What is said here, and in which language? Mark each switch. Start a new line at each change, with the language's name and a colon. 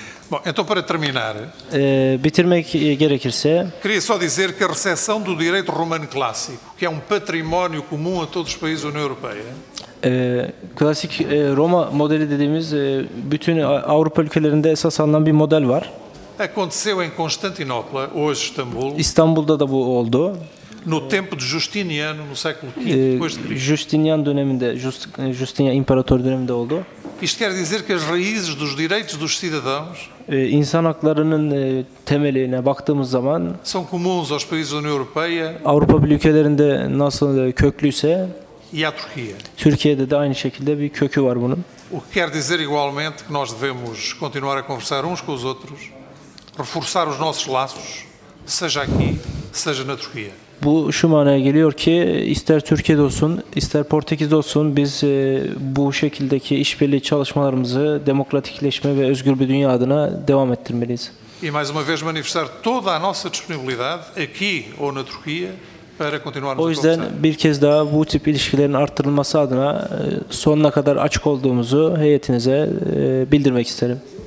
Portuguese: Bom, então para terminar,
Turkish: bitirmek gerekirse,
Portuguese: queria só dizer que a recepção do direito romano clássico, que é um património comum a todos os países da União Europeia,
Turkish: klasik Roma modeli dediğimiz bütün Avrupa ülkelerinde esas alınan bir model var.
Portuguese: Aconteceu em Constantinopla, hoje Istambul.
Turkish: İstanbul'da da bu oldu.
Portuguese: No tempo de Justiniano, no século V, depois de Cristo.
Turkish: Justiniano döneminde, Justinian imparator döneminde oldu.
Portuguese: Isto quer dizer que as raízes dos direitos dos cidadãos,
Turkish: insan haklarının temeline baktığımız zaman,
Portuguese: são comuns aos países da União Europeia.
Turkish: Avrupa ülkelerinde nasıl köklüyse,
Portuguese: e à Turquia.
Turkish: Türkiye'de de aynı şekilde bir kökü var bunun.
Portuguese: O que quer dizer igualmente que nós devemos continuar a conversar uns com os outros, reforçar os nossos laços, seja aqui, seja na Turquia.
Turkish: Bu şu manaya geliyor ki ister Türkiye'de olsun ister Portekiz'de olsun biz bu şekildeki işbirliği çalışmalarımızı demokratikleşme ve özgür bir dünya adına devam ettirmeliyiz.
Portuguese: E mais uma vez manifestar toda a nossa disponibilidade aqui ou na Turquia para continuarmos.
Turkish: O yüzden bir kez daha bu tip ilişkilerin arttırılması adına sonuna kadar açık olduğumuzu heyetinize bildirmek isterim.